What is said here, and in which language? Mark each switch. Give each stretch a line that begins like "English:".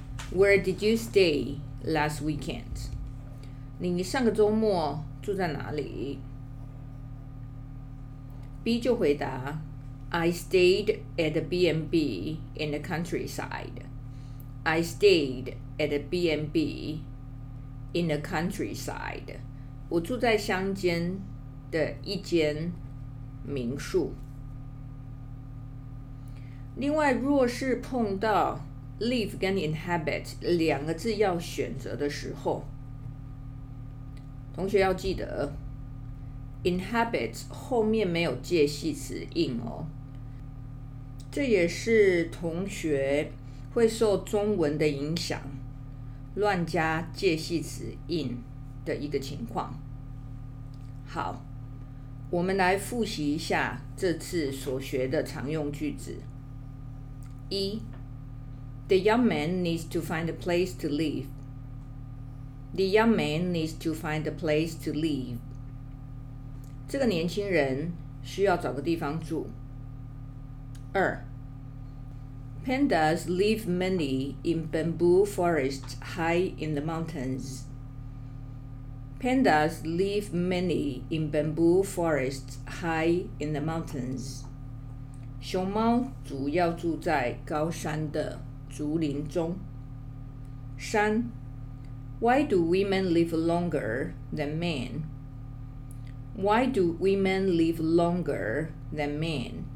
English: Where did you stay last weekend?
Chinese: 你上个周末住在哪里？
English: B
Chinese: 就回答
English: I stayed at the B&B in the countryside. I stayed at the B&B in the countryside.
Chinese: 我住在乡间的一间民宿。另外，若是碰到 live 跟 inhabit 两个字要选择的时候，同学要记得inhabit 后面没有介系词 in 哦，这也是同学会受中文的影响乱加介系词 in 的一个情况。好，我们来复习一下这次所学的常用句子。
English: 一 ，The young man needs to find a place to live. The young man needs to find a place to live.
Chinese: 这个年轻人需要找个地方住。
English: 二 ，Pandas live mainly in bamboo forests high in the mountains. Pandas live mainly in bamboo forests high in the mountains.
Chinese: 熊猫主要住在高山的竹林中。
English: 三 ，Why do women live longer than men? Why do women live longer than men?